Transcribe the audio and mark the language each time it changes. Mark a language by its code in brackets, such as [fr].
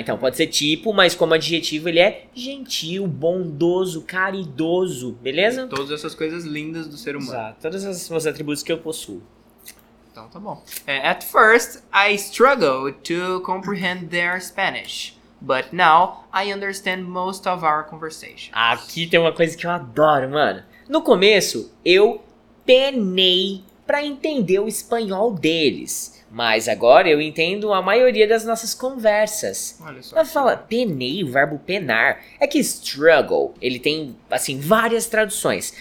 [pt] Então pode ser tipo, mas como adjetivo ele é gentil, bondoso, caridoso, beleza? E todas essas coisas lindas do ser humano. Exato, todos os atributos que eu possuo. Então tá bom. [en] At first, I struggled to comprehend their Spanish. But now, I understand most of our conversations. [pt] Aqui tem uma coisa que eu adoro, mano. No começo, eu penei para entender o espanhol deles. Mas agora eu entendo a maioria das nossas conversas. Olha só. Ela fala penei, o verbo penar. É que struggle, ele tem, assim, várias traduções.